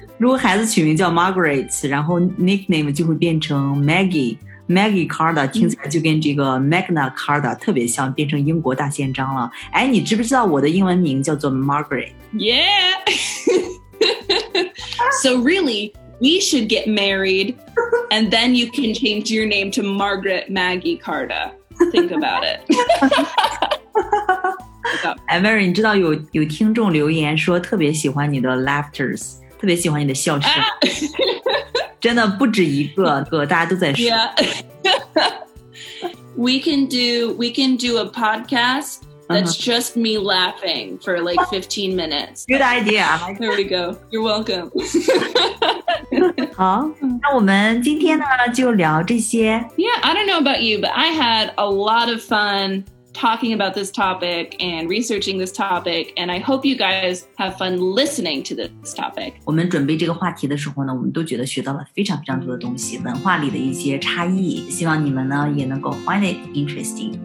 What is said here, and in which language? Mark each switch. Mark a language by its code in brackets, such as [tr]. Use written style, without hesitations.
[zh] 如果孩子取名叫 Margaret, 然后 nickname 就会变成 Maggie, Maggie Carta 听起来就跟这个 Magna Carta 特别像变成英国大宪章了。哎，你知不知道我的英文名叫做 Margaret? [en] Yeah! So really, we should get married and then you can change your name to Margaret Maggie Carta. Think about it. [zh] Hey, Mary, 你知道 有听众留言说特别喜欢你的 laughters,特别喜欢你的笑声、真的不止一个个大家都在说、 [en] yeah. We can do a podcast that's just me laughing for like 15 minutes Good idea There we go, you're welcome [zh] 好那我们今天呢就聊这些 [en] Yeah, I don't know about you but I had a lot of funTalking about this topic and researching this topic, and I hope you guys have fun listening to this topic. [zh] 我们准备这个话题的时候呢，我们都觉得学到了非常非常多的东西，文化里的一些差异。希望你们呢也能够 [en] find it interesting.